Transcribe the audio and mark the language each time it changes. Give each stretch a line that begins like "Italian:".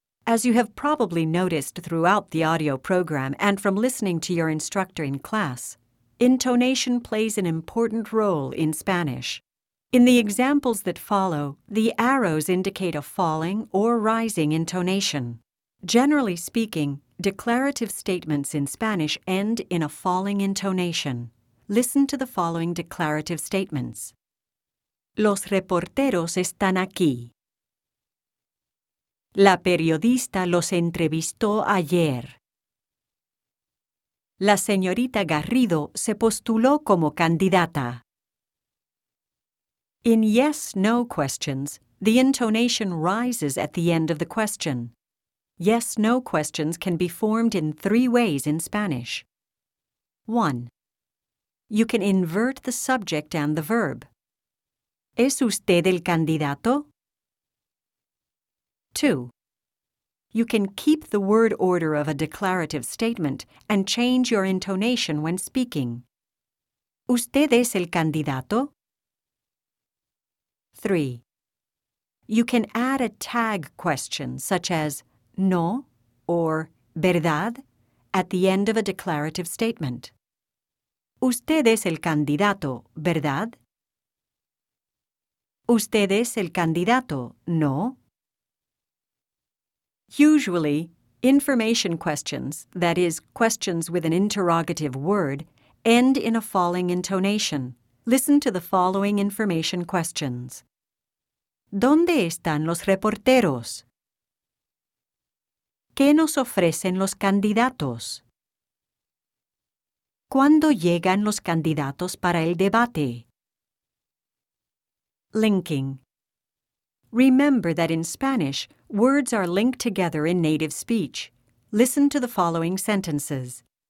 English: As you have probably noticed throughout the audio program and from listening to your instructor in class, intonation plays an important role in Spanish. In the examples that follow, the arrows indicate a falling or rising intonation. Generally speaking, declarative statements in Spanish end in a falling intonation. Listen to the following declarative statements.
Spanish: Los reporteros están aquí. La periodista los entrevistó ayer. La señorita Garrido se postuló como candidata.
English: In yes-no questions, the intonation rises at the end of the question. Yes-no questions can be formed in three ways in Spanish. 1. You can invert the subject and the verb.
Spanish: ¿Es usted el candidato? 2.
English: You can keep the word order of a declarative statement and change your intonation when speaking.
Spanish: ¿Usted es el candidato?
English: 3. You can add a tag question such as no or verdad at the end of a declarative statement.
Spanish: Usted es el candidato, ¿verdad? Usted es el candidato, ¿no?
English: Usually, information questions, that is, questions with an interrogative word, end in a falling intonation. Listen to the following information questions.
Spanish: ¿Dónde están los reporteros? ¿Qué nos ofrecen los candidatos? ¿Cuándo llegan los candidatos para el debate?
English: Linking. Remember that in Spanish, words are linked together in native speech. Listen to the following sentences.